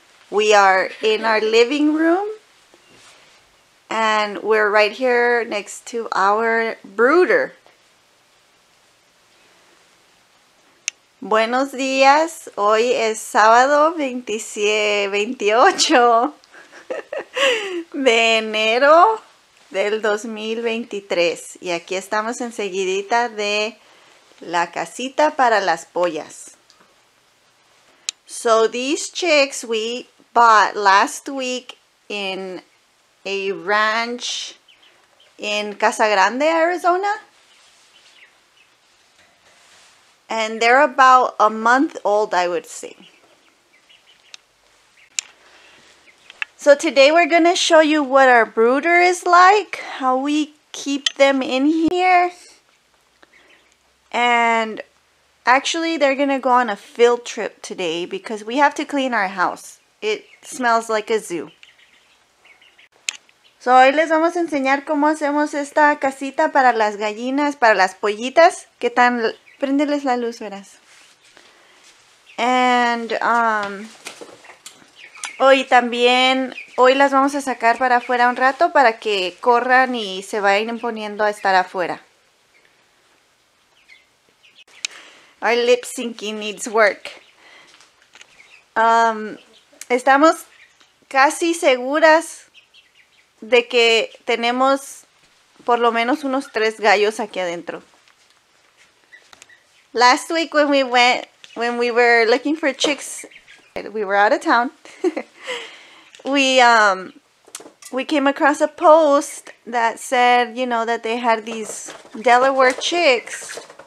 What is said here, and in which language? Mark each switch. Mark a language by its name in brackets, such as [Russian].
[English] We are in our living room and we're right here next to our brooder. [Spanish] Buenos dias, hoy es sábado 28 de enero del 2023 y aquí estamos enseguidita de la casita para las pollas. [English] So these chicks we bought last week in a ranch in Casa Grande, Arizona, and they're about a month old, I would say. So today we're going to show you what our brooder is like, how we keep them in here. And actually they're going to go on a field trip today because we have to clean our house. It smells like a zoo. [Spanish] So hoy les vamos a enseñar cómo hacemos esta casita para las gallinas, para las pollitas. ¿Qué tan? Prendeles la luz, verás. And hoy también, hoy las vamos a sacar para afuera un rato para que corran y se vayan poniendo a estar afuera. [English] Our lip syncing needs work. [Spanish] Estamos casi seguras de que tenemos por lo menos unos tres gallos aquí adentro. [English] Last week when we went, when we were looking for chicks, we were out of town. We came across a post that said, you know, that they had these Delaware chicks.